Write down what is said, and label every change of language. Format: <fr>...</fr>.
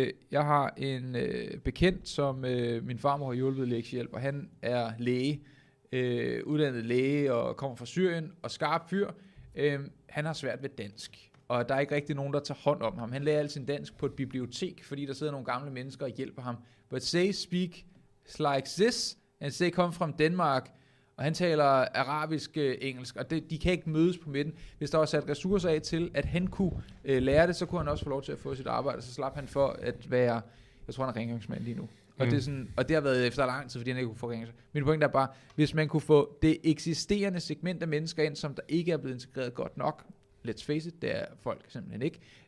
<da>Jeg har en bekendt, som min farmor har hjulpet lektiehjælp, og han er læge, uddannet læge og kommer fra Syrien og skarp fyr. Han har svært ved dansk, og der er ikke rigtig nogen, der tager hånd om ham. Han lærer alt sin dansk på et bibliotek, fordi der sidder nogle gamle mennesker og hjælper ham.</da> <en>But say speak like this, and say come from Denmark...</en> <da>Og han taler arabisk engelsk, og de kan ikke mødes på midten. Hvis der var sat ressourcer af til, at han kunne lære det, så kunne han også få lov til at få sit arbejde, så slap han for at være, jeg tror han er rengøringsmand lige nu. Og det er sådan, og det har været efter lang tid, fordi han ikke kunne få rengøringsmand. Min point er bare, hvis man kunne få det eksisterende segment af mennesker ind, som der ikke er blevet integreret godt nok, let's face it, det er folk simpelthen ikke,</da>